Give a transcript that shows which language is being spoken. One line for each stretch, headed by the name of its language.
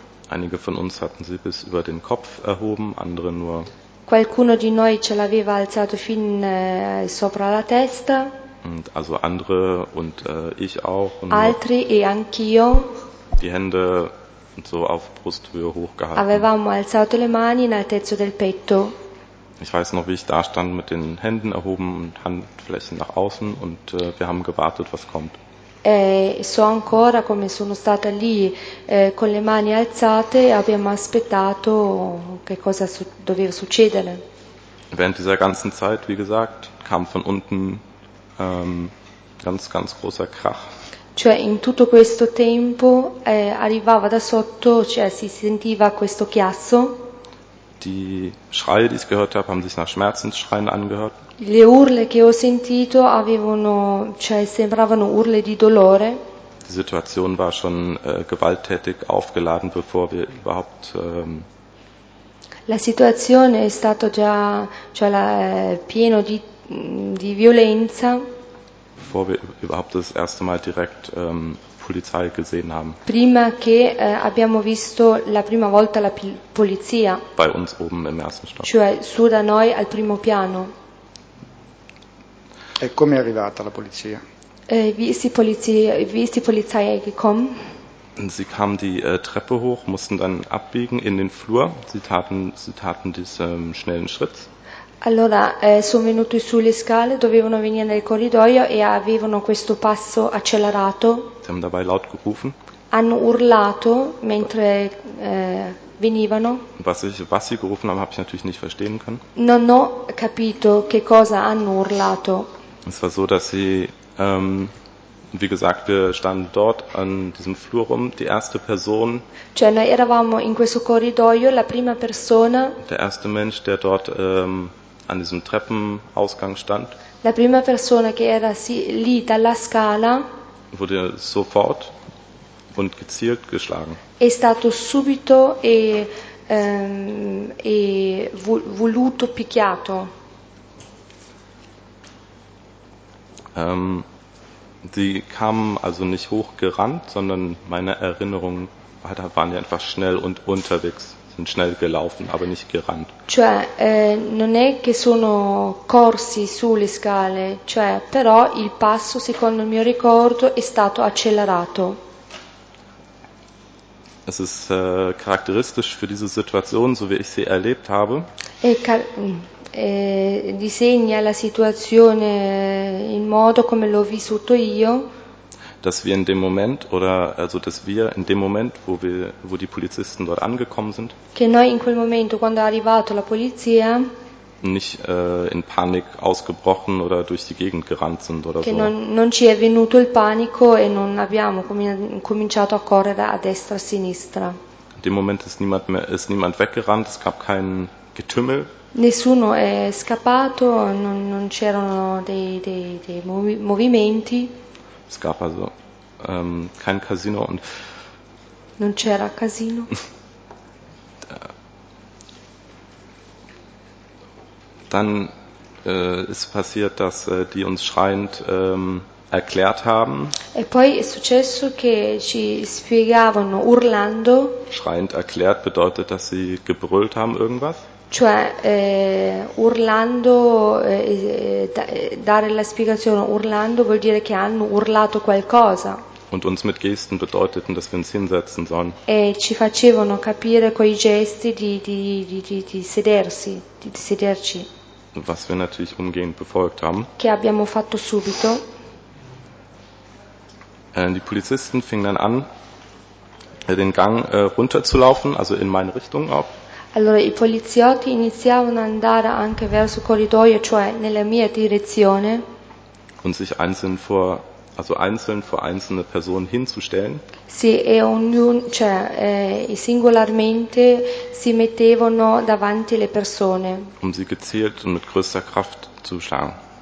German: Einige von uns hatten sie bis über den Kopf erhoben, andere nur.
Italian: Qualcuno di noi ce l'aveva alzato fin sopra la testa.
German: Und also andere und ich auch. Und
Italian: altri e anch'io.
German: Die Hände so auf Brusthöhe hochgehalten.
Italian: Avevamo alzato le mani in altezza del petto.
German: Ich weiß noch, wie ich da stand mit den Händen erhoben und Handflächen nach außen und wir haben gewartet, was kommt.
Italian: So ancora come sono stata lì con le mani alzate e abbiamo aspettato che cosa doveva succedere.
German: Während dieser ganzen Zeit, wie gesagt, kam von unten ganz ganz großer Krach.
Italian: Cioè in tutto questo tempo arrivava da sotto, cioè si sentiva questo chiasso.
German: Die Schreie, die ich gehört habe, haben sich nach Schmerzensschreien angehört.
Italian: Le urle che ho sentito avevano, cioè sembravano urle di dolore.
German: Die Situation war schon gewalttätig aufgeladen, bevor wir überhaupt.
Italian: La situazione è stata già, cioè pieno di violenza.
German: Bevor wir überhaupt das erste Mal direkt Polizei gesehen haben.
Italian: Prima che abbiamo visto la prima volta la polizia.
German: Bei uns oben im ersten Stock.
Italian: Cioè su da noi al primo piano. E come è arrivata la polizia?
German: Wie ist die Polizei gekommen? Sie kamen die Treppe hoch, mussten dann abbiegen in den Flur. Sie taten diesen schnellen Schritt.
Italian: Allora, sono venuti sulle scale, dovevano venire nel corridoio e avevano questo passo accelerato.
German: Sie haben dabei laut gerufen.
Italian: Hanno urlato mentre venivano.
German: Was sie gerufen haben, habe ich natürlich nicht verstehen können.
Italian: Non ho capito che cosa hanno urlato.
German: Es war so, dass sie, wie gesagt, wir standen dort an diesem Flur rum, die erste Person.
Italian: Cioè, noi eravamo in questo corridoio, la prima persona.
German: Der erste Mensch, der dort an diesem Treppenausgang stand.
Italian: La prima persona che era lì dalla scala.
German: Wurde sofort und gezielt geschlagen.
Italian: È stato subito e voluto picchiato.
German: Sie kamen also nicht hochgerannt, sondern meine Erinnerung waren ja einfach schnell und unterwegs. Sind schnell gelaufen, aber nicht gerannt.
Italian: Cioè, non è che sono corsi sulle scale, cioè, però il passo, secondo il mio ricordo, è stato accelerato.
German: Es ist charakteristisch für diese Situation, so wie ich sie erlebt habe.
Italian: Disegna la situazione in modo come l'ho vissuto io.
German: Dass wir in dem Moment, oder also dass wir in dem Moment, wo die Polizisten dort angekommen sind,
Italian: che noi in quel momento, quando è arrivato la polizia,
German: nicht in Panik ausgebrochen oder durch die Gegend gerannt sind oder
Italian: che
German: so.
Italian: Non ci è venuto il panico e non abbiamo cominciato a correre a destra e a sinistra.
German: In dem Moment ist niemand weggerannt, es gab kein Getümmel.
Italian: Nessuno è scappato, non c'erano dei movimenti.
German: Es gab also kein Casino und.
Italian: Non c'era Casino.
German: Dann ist passiert, dass die uns schreiend erklärt haben.
Italian: E poi è successo che ci spiegavano urlando.
German: Schreiend erklärt bedeutet, dass sie gebrüllt haben irgendwas.
Italian: Cioè, urlando, dare la spiegazione urlando vuol dire che hanno urlato qualcosa.
German: und uns mit Gesten bedeuteten, dass wir uns hinsetzen sollen.
Italian: E ci facevano capire coi gesti di sedersi, di sederci.
German: Was wir natürlich umgehend befolgt haben.
Italian: Che abbiamo fatto subito.
German: Die Polizisten fingen dann an, den Gang runterzulaufen, also in meine Richtung auch.
Italian: Allora i poliziotti iniziavano ad andare anche verso il corridoio, cioè nella mia direzione.
German: Und sich einzeln vor, also einzeln vor einzelne Personen hinzustellen.
Italian: Sì, e ognun, cioè, singolarmente si mettevano davanti le persone.
German: Um sie gezielt und mit größter Kraft zu schlagen.